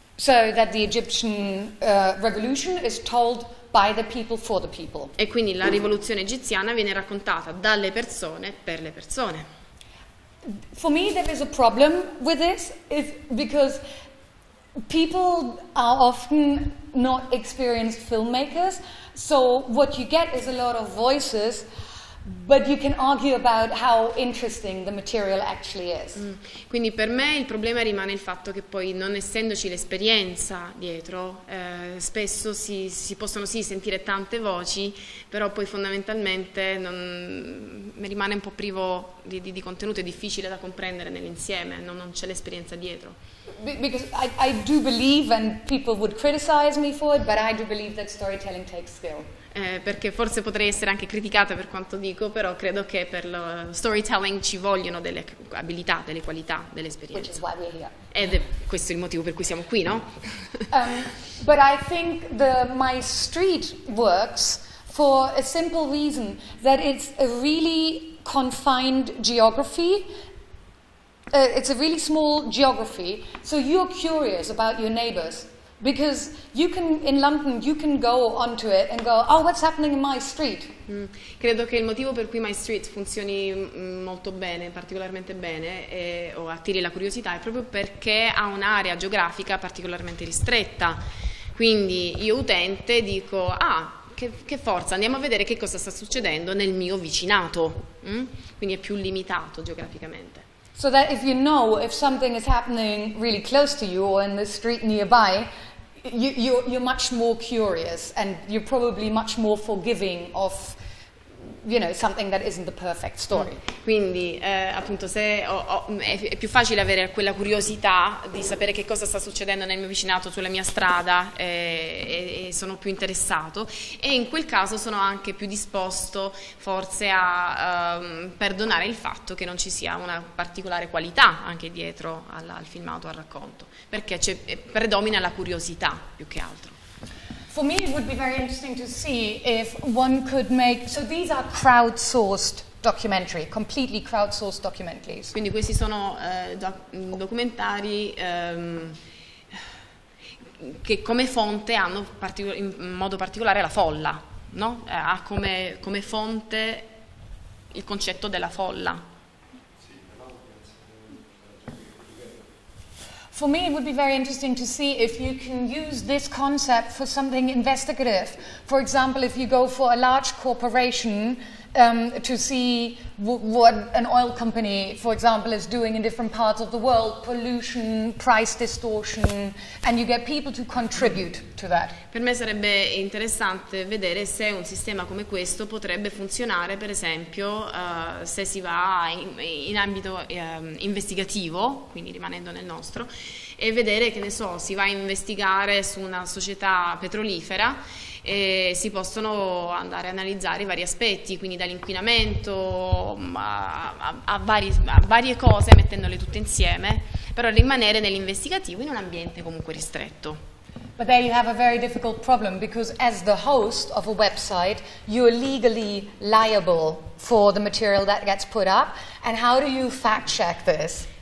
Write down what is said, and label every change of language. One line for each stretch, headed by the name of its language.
English: So that the Egyptian revolution is told by the people for the people.
Italian: E quindi la rivoluzione egiziana viene raccontata dalle persone per le persone.
English: For me there is a problem with this, is because people are often not experienced filmmakers, so what you get is a lot of voices, but you can argue about how interesting the material actually is.
Italian: Quindi per me il problema rimane il fatto che poi, non essendoci l'esperienza dietro, spesso si possono sì sentire tante voci, però poi fondamentalmente non rimane un po' privo di contenuto, è difficile da comprendere nell'insieme, non c'è l'esperienza dietro.
English: Because I do believe, and people would criticize me for it, but I do believe that storytelling takes skill.
Italian: perché forse potrei essere anche criticata per quanto dico, però credo che per lo storytelling ci vogliono delle abilità, delle qualità, delle esperienze.
English: Which is why we're here.
Italian: Ed è questo il motivo per cui siamo qui, no?
English: But I think my street works for a simple reason, that it's a really confined geography. It's a really small geography, so you're curious about your neighbors. Because you can, in London, you can go onto it and go, oh, what's happening in my street?
Italian: Credo che il motivo per cui My Street funzioni molto bene, particolarmente bene, o attiri la curiosità, è proprio perché ha un'area geografica particolarmente ristretta. Quindi io utente dico, ah, che forza, andiamo a vedere che cosa sta succedendo nel mio vicinato. Quindi è più limitato geograficamente.
English: So that if you know if something is happening really close to you or in the street nearby, you're much more curious and you're probably much more forgiving of, you know, something that isn't the perfect story.
Italian: Quindi, appunto, se è più facile avere quella curiosità di sapere che cosa sta succedendo nel mio vicinato, sulla mia strada, e sono più interessato, e in quel caso sono anche più disposto forse a perdonare il fatto che non ci sia una particolare qualità anche dietro al filmato, al racconto, perché predomina la curiosità più che altro.
English: For me, it would be very interesting to see if one could make... So these are crowdsourced documentary, completely crowdsourced documentaries.
Italian: Quindi questi sono documentari che come fonte hanno in modo particolare la folla, no? Ha come fonte il concetto della folla.
English: For me, it would be very interesting to see if you can use this concept for something investigative. For example, if you go for a large corporation to see what an oil company, for example, is doing in different parts of the world, pollution, price distortion, and you get people to contribute to that.
Italian: Per me sarebbe interessante vedere se un sistema come questo potrebbe funzionare, per esempio, se si va in ambito investigativo, quindi rimanendo nel nostro, e vedere, che ne so, si va a investigare su una società petrolifera e si possono andare a analizzare vari aspetti, quindi dall'inquinamento a varie cose, mettendole tutte insieme, però rimanere nell'investigativo in un ambiente comunque ristretto.
English: But there you have a very difficult problem, because as the host of a website, you're legally liable for the material that gets put up, and how do you fact check this?